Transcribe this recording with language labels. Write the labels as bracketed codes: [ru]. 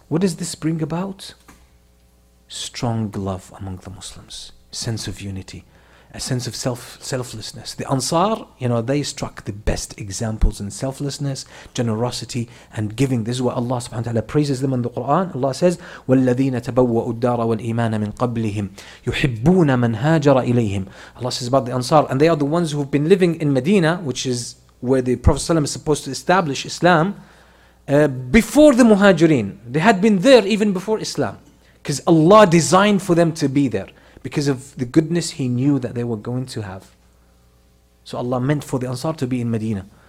[en] What does this bring about? Strong love among the Muslims, sense of unity, a sense of selflessness. The Ansar, you know, they struck the best examples in selflessness, generosity, and giving. This is what Allah subhanahu wa ta'ala praises them in the Quran. Allah says, [ar] وَالَّذِينَ تَبَوَّأُوا الدَّارَ وَالْإِيمَانَ مِنْ قَبْلِهِمْ يُحِبُّونَ مَنْ هَاجَرَ إِلَيْهِمْ. [en] Allah says about the Ansar, and they are the ones who have been living in Medina, which is where the Prophet ﷺ is supposed to establish Islam, before the Muhajirin. They had been there even before Islam, because Allah designed for them to be there. Because of the goodness he knew that they were going to have. So Allah meant for the Ansar to be in Medina.